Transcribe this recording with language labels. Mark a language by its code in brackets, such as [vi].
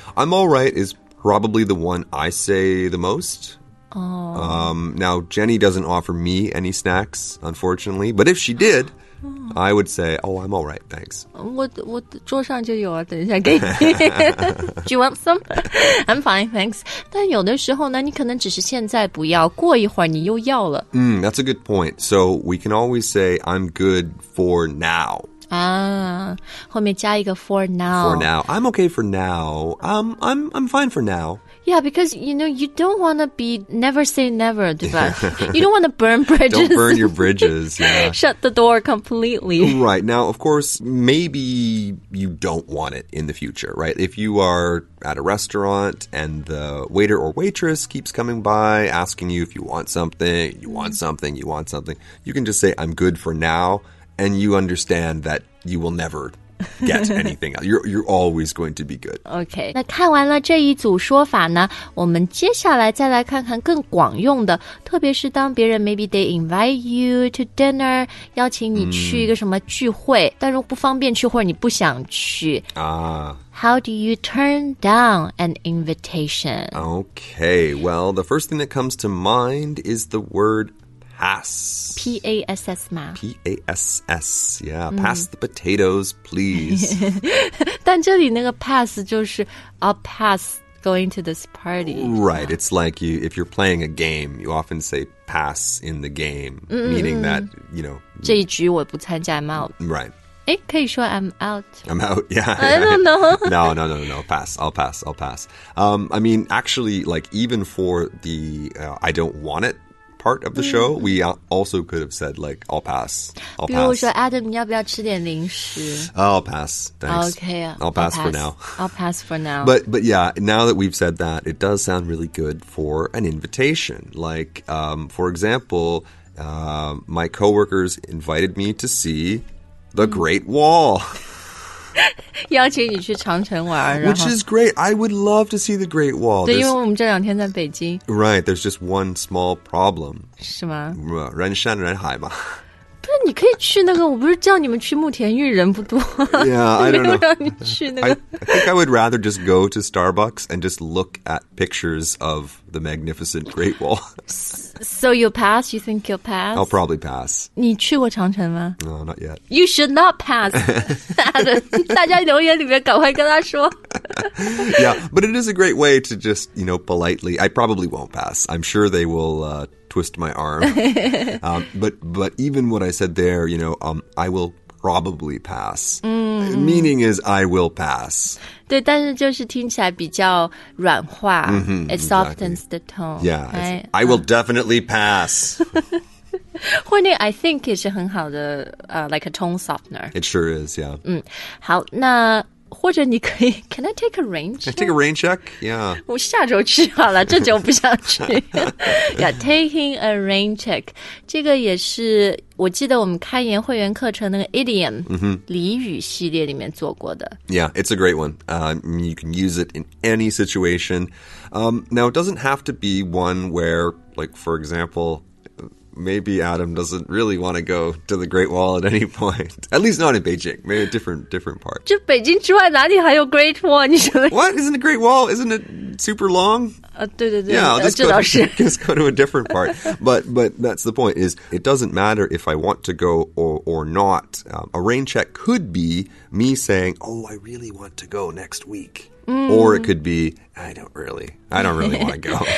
[en] I'm all right is probably the one I say the most. Oh. Now, Jenny doesn't offer me any snacks, unfortunately, but if she did... I would say, oh, I'm all right, thanks. [zh] 我桌上就有啊，等一下给你。 [en] Do you want some? I'm fine, thanks. [zh] 但有的时候呢，你可能只是现在不要，过一会儿你又要了。 [en] That's a good point. So we can always say, I'm good for now. [zh] 啊，后面加一个 [en] for now. For now. I'm okay for now. I'm fine for now. Yeah, because, you know, you don't want to be never say never, right? Yeah. You don't want to burn bridges. Don't burn your bridges, yeah. Shut the door completely. Right. Now, of course, maybe you don't want it in the future, right? If you are at a restaurant and the waiter or waitress keeps coming by asking you if you want something, you want something, you want something, you can just say, I'm good for now, and you understand that you will never... get anything else. You're always going to be good. Okay. [zh] 那看完了这一组说法呢，我们接下来再来看看更广用的，特别是当别人 [en] maybe they invite you to dinner, [zh] 邀请你去一个什么聚会，但如果不方便去或者你不想去。 [en] How do you turn down an invitation? Okay. Well, the first thing that comes to mind is the word pass. P-A-S-S, ma. P-A-S-S, yeah. Pass the potatoes, please. [zh] 但这里那个 [en] pass [zh] 就是 [en] I'll pass going to this party. Right, it's like you, if you're playing a game, you often say pass in the game, meaning that, you know. [zh] 这一局我不参加 [en] I'm out. Right. [zh] 诶可以说 [en] I'm out. I'm out, yeah. I don't know. No. Pass. I mean, actually, like, even for the I don't want it,part of the show, we also could have said, like, I'll pass. [zh] 比如说 Adam, 你要不要吃点零食? [en] I'll pass, thanks. Okay, I'll pass for now. But yeah, now that we've said that, it does sound really good for an invitation. Like, for example, my coworkers invited me to see the Great Wall. [zh] 邀请你去长城玩 [en] Which is great. I would love to see the Great Wall. [zh] 对，因为我们这两天在北京。 [en] Right, there's just one small problem. [zh] 是吗？人山人海嘛。不是，你可以去那个，我不是叫你们去慕田峪，人不多。 [en] Yeah, I don't know. [zh] 没有让你去那个。 [en] I think I would rather just go to Starbucks and just look at pictures of the magnificent Great Wall. So you'll pass? You think you'll pass? I'll probably pass. [zh] 你去过长城吗？ [en] No, not yet. You should not pass. [zh] 大家留言里面赶快跟他说。 [en] Yeah, but it is a great way to just, you know, politely, I probably won't pass. I'm sure they will, twist my arm. but even what I said there, you know, I will probably pass. Mm. Meaning is I will pass. [zh] 对，但是就是听起来比较软化。 Mm-hmm, [en] it softens the tone. Yeah, right? I will definitely pass. [zh] 或那 [en] I think [zh] 也是很好的 [en] like a tone softener. It sure is, yeah. [zh] 嗯，好，那或者你可以 [en] Can I take a rain check? Can I take a rain check? Yeah. [zh] 我下周去好了，这周不想去。 [en] Yeah, taking a rain check. [zh] 这个也是我记得我们开言会员课程那个 idiom、 mm-hmm. 俚语系列里面做过的。 [en] Yeah, it's a great one. You can use it in any situation. Now, it doesn't have to be one where, like, for example, maybe Adam doesn't really want to go to the Great Wall at any point. At least not in Beijing. Maybe a different part. [zh] 就北京之外哪里还有 Great Wall? 你觉得 [en] What? Isn't the Great Wall? Isn't it super long? [zh] 对对对 [en] yeah, I'll just, [zh] 这倒是 [en] just go to a different part. But that's the point, is it doesn't matter if I want to go or not. A rain check could be me saying, oh, I really want to go next week. Mm. Or it could be, I don't really want to go.